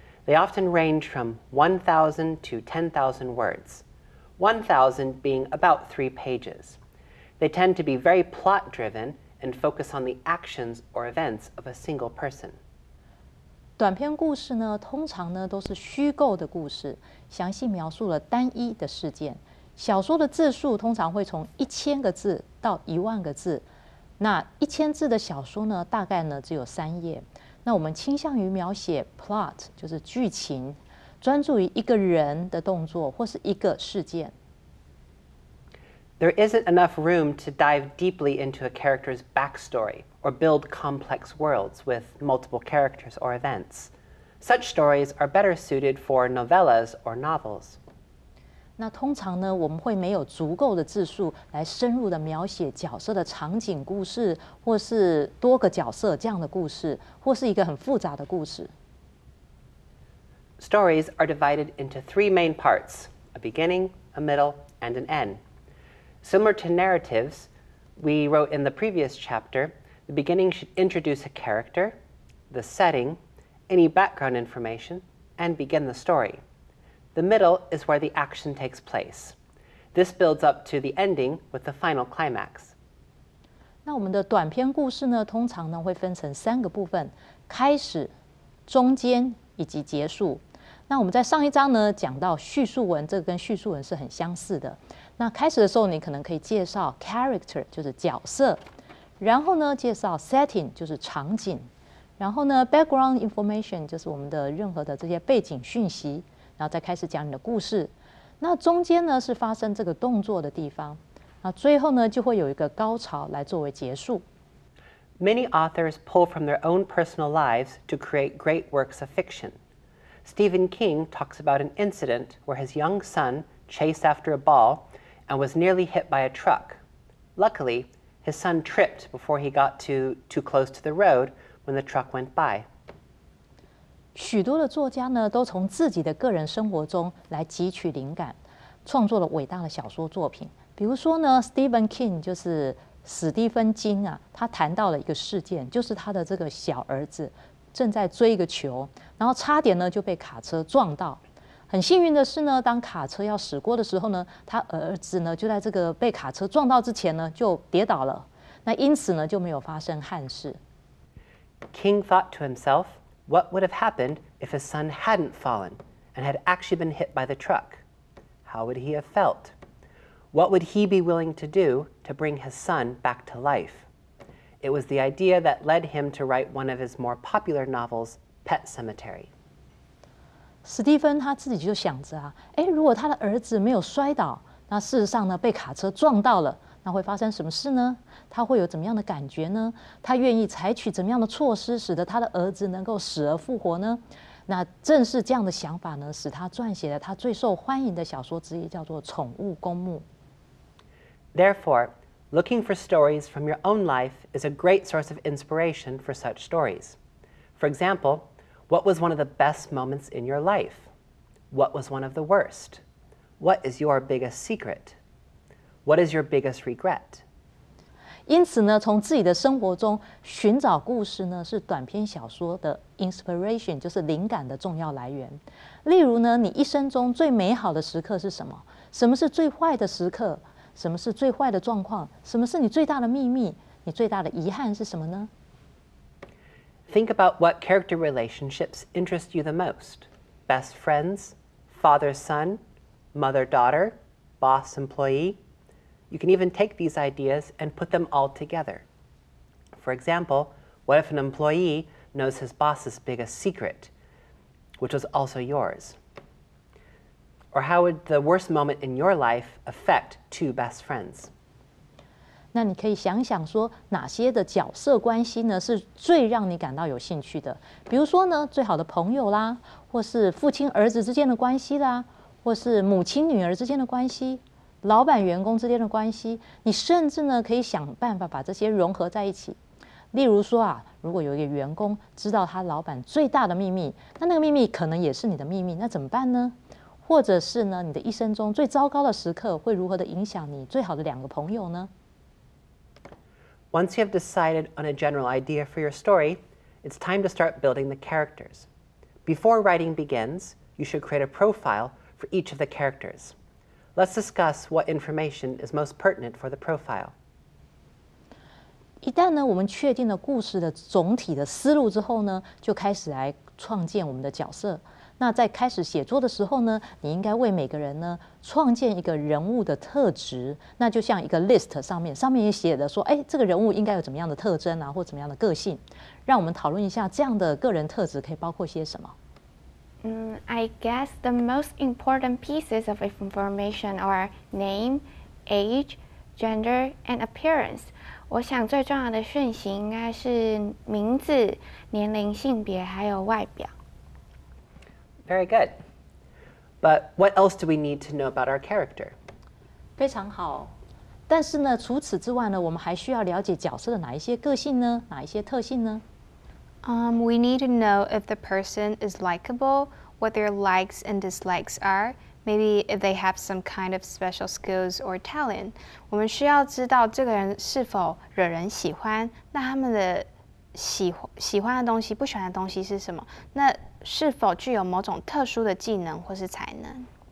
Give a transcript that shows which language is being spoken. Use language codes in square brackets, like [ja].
[en] They often range from 1,000 to 10,000 words, 1,000 being about 3 pages. They tend to be very plot driven and focus on the actions or events of a single person. [zh] 短篇故事呢，通常呢都是虚构的故事，详细描述了单一的事件。小说的字数通常会从1000个字到10000个字。那1000字的小说呢，大概呢只有3页。那我们倾向于描写 plot， 就是剧情，专注于一个人的动作或是一个事件。 [en] There isn't enough room to dive deeply into a character's backstory. Or build complex worlds with multiple characters or events. Such stories are better suited for novellas or novels. [zh] 那通常呢，我们会没有足够的字数来深入的描写角色的场景故事，或是多个角色这样的故事，或是一个很复杂的故事。 [en] Stories are divided into 3 main parts: a beginning, a middle, and an end. Similar to narratives, we wrote in the previous chapter. The beginning should introduce a character, the setting, any background information, and begin the story. The middle is where the action takes place. This builds up to the ending with the final climax. [zh] 那我们的短篇故事呢，通常呢会分成3个部分：开始、中间以及结束。那我们在上一章呢讲到叙述文，这个跟叙述文是很相似的。那开始的时候，你可能可以介绍 character， 就是角色。然后呢，介绍 setting 就是场景，然后呢 [en] background information [zh] 就是我们的任何的这些背景讯息，然后再开始讲你的故事。那中间呢是发生这个动作的地方，那最后呢就会有一个高潮来作为结束。 [en] Many authors pull from their own personal lives to create great works of fiction. Stephen King talks about an incident where his young son chased after a ball and was nearly hit by a truck. Luckily. His son tripped before he got too close to the road when the truck went by. [zh] 许多的作家呢，都从自己的个人生活中来汲取灵感，创作了伟大的小说作品。比如说呢 ，Stephen King 就是史蒂芬金啊，他谈到了一个事件，就是他的这个小儿子正在追一个球，然后差点呢就被卡车撞到。很幸运的是呢，当卡车要驶过的时候呢，他儿子呢就在这个被卡车撞到之前呢就跌倒了，那因此呢就没有发生憾事。 [en] King thought to himself, "What would have happened if his son hadn't fallen and had actually been hit by the truck? How would he have felt? What would he be willing to do to bring his son back to life?" It was the idea that led him to write one of his more popular novels, Pet Cemetery. [zh] 史蒂芬他自己就想着啊，哎，如果他的儿子没有摔倒，那事实上呢被卡车撞到了，那会发生什么事呢？他会有怎么样的感觉呢？他愿意采取怎么样的措施，使得他的儿子能够死而复活呢？那正是这样的想法呢，使他撰写了他最受欢迎的小说之一，叫做《宠物公墓》。 [en] Therefore, looking for stories from your own life is a great source of inspiration for such stories. For example. What was one of the best moments in your life? What was one of the worst? What is your biggest secret? What is your biggest regret? [zh] 因此呢，从自己的生活中寻找故事呢，是短篇小说的 inspiration， 就是灵感的重要来源。例如呢，你一生中最美好的时刻是什么？什么是最坏的时刻？什么是最坏的状况？什么是你最大的秘密？你最大的遗憾是什么呢？ [en] Think about what character relationships interest you the most. Best friends, father-son, mother-daughter, boss-employee. You can even take these ideas and put them all together. For example, what if an employee knows his boss's biggest secret, which was also yours? Or how would the worst moment in your life affect two best friends? [zh] 那你可以想想说哪些的角色关系呢是最让你感到有兴趣的。比如说呢最好的朋友啦或是父亲儿子之间的关系啦或是母亲女儿之间的关系老板员工之间的关系你甚至呢可以想办法把这些融合在一起。例如说啊如果有一个员工知道他老板最大的秘密那那个秘密可能也是你的秘密那怎么办呢或者是呢你的一生中最糟糕的时刻会如何的影响你最好的两个朋友呢 [en] Once you have decided on a general idea for your story, it's time to start building the characters. Before writing begins, you should create a profile for each of the characters. Let's discuss what information is most pertinent for the profile. [zh] 一旦呢我们确定了故事的总体的思路之后呢就开始来创建我们的角色那在开始写作的时候呢你应该为每个人呢创建一个人物的特质那就像一个 list 上面也写的说哎，这个人物应该有怎么样的特征啊或怎么样的个性让我们讨论一下这样的个人特质可以包括些什么、 [en] I guess the most important pieces of information are name, age, gender, and appearance [zh] 我想最重要的讯息应该是名字、年龄、性别，还有外表。 [en] Very good. But what else do we need to know about our character? [zh] 非常好。但是呢，除此之外呢，我们还需要了解角色的哪一些个性呢？哪一些特性呢？ [en] We need to know if the person is likable, what their likes and dislikes are. Maybe if they have some kind of special skills or talent. [zh] 我们需要知道这个人是否惹人喜欢，那他们的喜欢的东西，不喜欢的东西是什么？那是否具有某种特殊的技能或是才能？